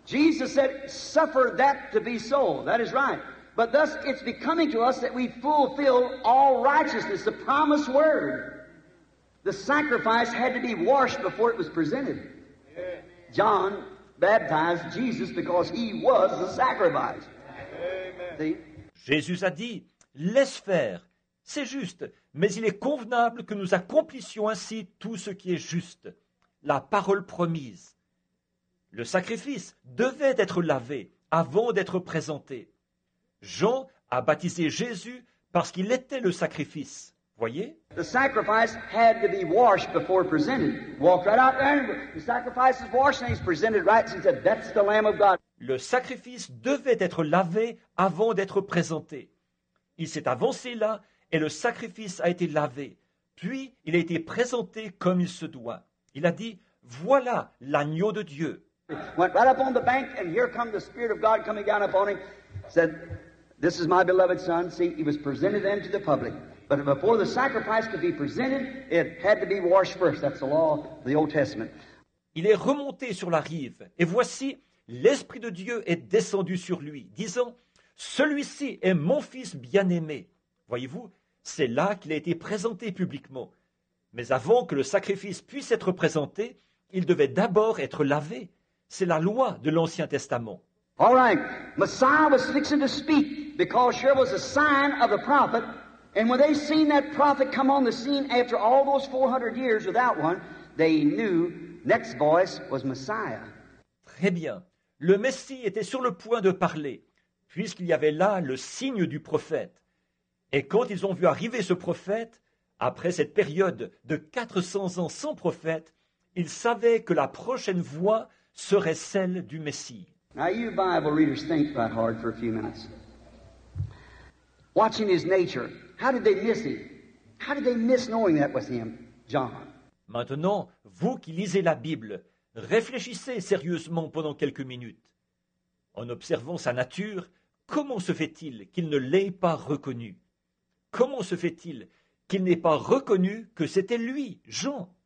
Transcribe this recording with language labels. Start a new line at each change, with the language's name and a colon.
English: Jesus said, suffer that to be so. That is right. But thus it's becoming to us that we fulfill all righteousness, the promised word. The sacrifice had to be washed before it was presented. John baptized Jesus because he was the sacrifice. Amen. See?
French: Jésus a dit, laisse faire. C'est juste, mais il est convenable que nous accomplissions ainsi tout ce qui est juste. La parole promise. Le sacrifice devait être lavé avant d'être présenté. Jean a baptisé Jésus parce qu'il était le sacrifice. Voyez?
English: The sacrifice had to be washed before presented. Walk right out there. The sacrifice is washed and he's presented right. He said, that's the Lamb of God.
French: Le sacrifice devait être lavé avant d'être présenté. Il s'est avancé là et le sacrifice a été lavé. Puis il a été présenté comme il se doit. Il a dit, voilà l'agneau de Dieu.
English: Went right up on the bank and here come the Spirit of God coming down upon him. Said, this is my beloved son. See, he was presented then to the public. But before the sacrifice could be presented, it had to be washed first. That's the law of the Old Testament.
French: Il est remonté sur la rive, et voici, l'Esprit de Dieu est descendu sur lui, disant, celui-ci est mon fils bien-aimé. Voyez-vous, c'est là qu'il a été présenté publiquement. Mais avant que le sacrifice puisse être présenté, il devait d'abord être lavé. C'est la loi de l'Ancien Testament.
English: All right, Messiah was fixing to speak because here was a sign of the prophet. And when they seen that prophet come on the scene after all those 400 years without one, they knew next voice was Messiah.
French: Très bien. Le Messie était sur le point de parler, puisqu'il y avait là le signe du prophète. Et quand ils ont vu arriver ce prophète, après cette période de 400 ans sans prophète, ils savaient que la prochaine voix serait celle du Messie.
English: Now you Bible readers think right hard for a few minutes. Watching his nature, how did they miss him? How did they miss knowing that was him, John?
French: Maintenant, vous qui lisez la Bible, réfléchissez sérieusement pendant quelques minutes. En observant sa nature, comment se fait-il qu'il ne l'ait pas reconnu? Comment se fait-il qu'il n'ait pas reconnu que c'était lui, Jean?